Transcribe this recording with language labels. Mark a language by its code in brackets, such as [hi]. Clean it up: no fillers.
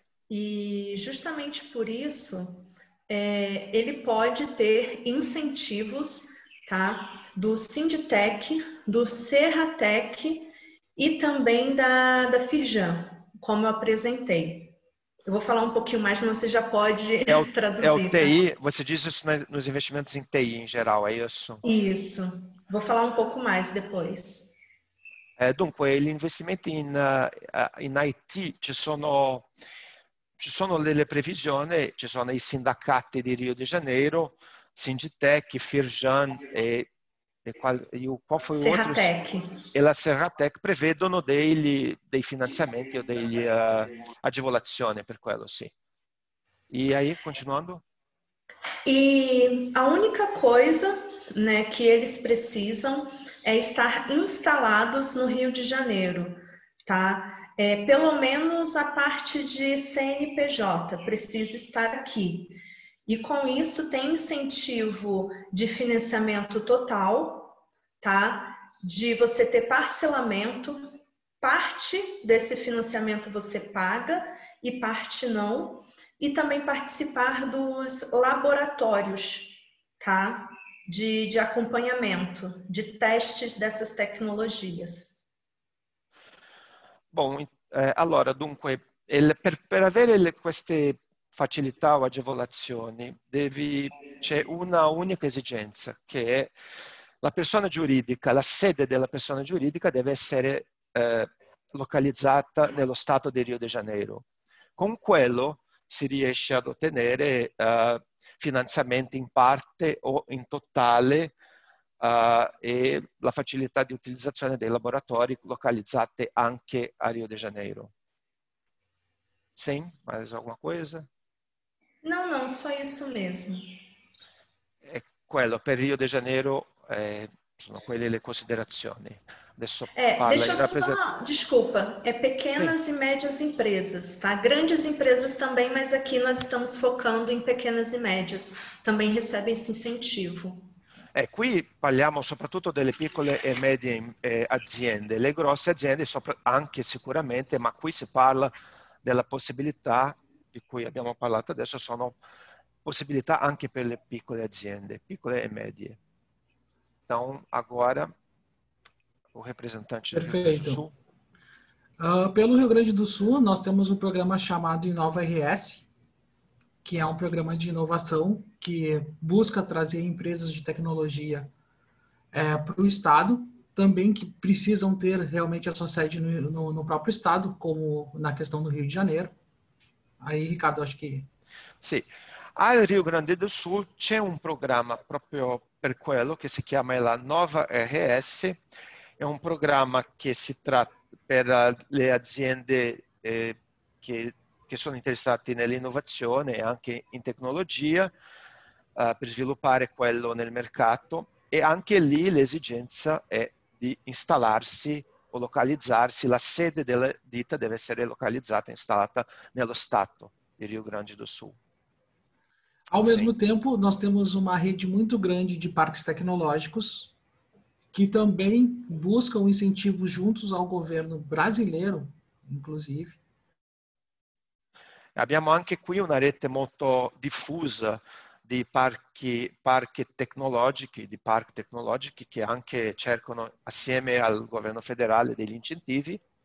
[pt] E justamente por isso, ele pode ter incentivos, tá, do Sinditec, do Serratec e também da Firjan, como eu apresentei. Eu vou falar um pouquinho mais, mas você já pode traduzir. É o TI, tá? Você diz isso nos investimentos em TI em geral, é isso? Isso. Vou falar um pouco mais depois. [it] Dunque, gli investimenti in IT, ci sono delle previsioni, ci sono i sindacati di Rio de Janeiro, Sinditec, Firjan [pt] qual foi Serratec. O outro? [it] E la Serratec prevedono dei finanziamenti o degli agevolazioni per quello, sì. [pt] E aí, continuando? E a única coisa, né, que eles precisam é estar instalados no Rio de Janeiro, tá? Pelo menos a parte de CNPJ precisa estar aqui. E com isso tem incentivo de financiamento total, tá? De você ter parcelamento, parte desse financiamento você paga e parte não. E também participar dos laboratórios, tá? De acompanhamento, de testes dessas tecnologias. [it] Bom, allora, dunque, per avere queste facilità o agevolazioni, c'è una unica esigenza, che è la persona giuridica, la sede della persona giuridica deve essere localizzata nello stato di Rio de Janeiro. Con quello si riesce ad ottenere finanziamenti in parte o in totale e la facilità di utilizzazione dei laboratori localizzati anche a Rio de Janeiro. Sì? [pt] Mais alguma coisa? No, só isso mesmo. [it] È quello, per Rio de Janeiro sono quelle le considerazioni. Adesso parla in rappresentante. [pt] Desculpa, pequenas sim. E médias empresas, tá? Grandes empresas também, mas aqui nós estamos focando em pequenas e médias. Também recebem esse incentivo. [it] Qui parliamo soprattutto delle piccole e medie aziende, le grosse aziende anche sicuramente, ma qui si parla della possibilità di cui abbiamo parlato adesso, sono possibilità anche per le piccole aziende, piccole e medie. [pt] Então, agora, o representante Perfeito. Do Rio Grande do Sul. Pelo Rio Grande do Sul, nós temos um programa chamado InovaRS, que é um programa de inovação que busca trazer empresas de tecnologia para o estado, também que precisam ter realmente a sua sede no próprio estado, como na questão do Rio de Janeiro. Aí, Ricardo, acho que... Sim. [it] Al Rio Grande do Sul c'è un programma proprio per quello che si chiama la Nova RS, è un programma che si tratta per le aziende che sono interessate nell'innovazione e anche in tecnologia per sviluppare quello nel mercato e anche lì l'esigenza è di installarsi o localizzarsi, la sede della ditta deve essere localizzata, installata nello stato di Rio Grande do Sul. [pt] Ao mesmo Sim. tempo, nós temos uma rede muito grande de parques tecnológicos que também buscam incentivos juntos ao governo brasileiro, inclusive. [it] Abbiamo anche qui una rete molto diffusa di parchi tecnologici, di parchi tecnologici che anche cercano assieme al governo federale degli incentivi.